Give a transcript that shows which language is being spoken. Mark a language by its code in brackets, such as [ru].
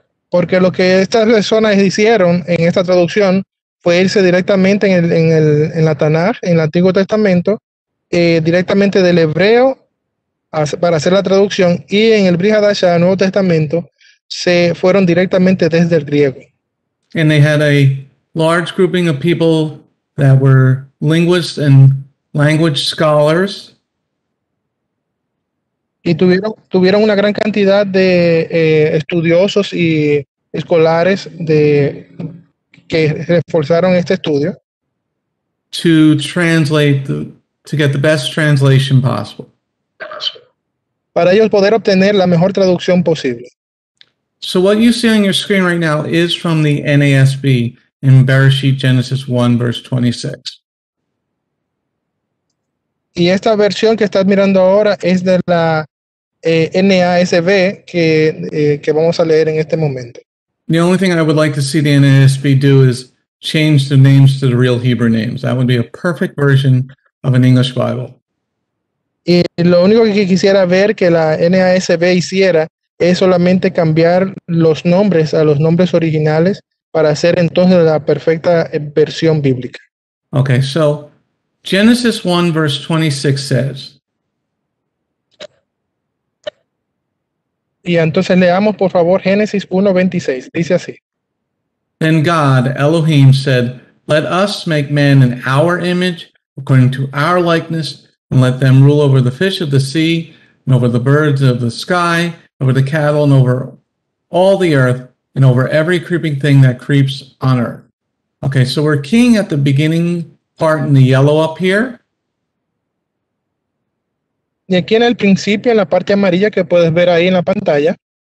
[es] Porque lo que estas personas hicieron en esta traducción fue irse directamente en la Tanakh, en el Antiguo Testamento, directamente del hebreo para hacer la traducción, y en el Brit Hadashah, Nuevo Testamento, se fueron directamente desde el griego. [en] And they had a large grouping of people that were linguists and language scholars. [es] Y tuvieron una gran cantidad de estudiosos y escolares que reforzaron este estudio. [en] To translate to get the best translation possible. [es] Para ellos poder obtener la mejor traducción posible. [en] So what you see on your screen right now is from the NASB in Bereshit Genesis 1 verse 26. [es] Y esta versión que estás mirando ahora es de la NASB que vamos a leer en este momento. [en] The only thing I would like to see the NASB do is change the names to the real Hebrew names. That would be a perfect version of an English Bible. [es] Y lo único que quisiera ver que la NASB hiciera es solamente cambiar los nombres a los nombres originales para hacer entonces la perfecta versión bíblica. [en] Okay, so Genesis 1 verse 26 says. [es] Y entonces leamos por favor Génesis 1:26. Dice así. [en] Then God, Elohim, said, "Let us make man in our image, according to our likeness, and let them rule over the fish of the sea, and over the birds of the sky, over the cattle, and over all the earth, and over every creeping thing that creeps on earth." Okay, so we're keying at the beginning part in the yellow up here. [es] Y aquí en el principio, en la parte amarilla que puedes ver ahí en la pantalla.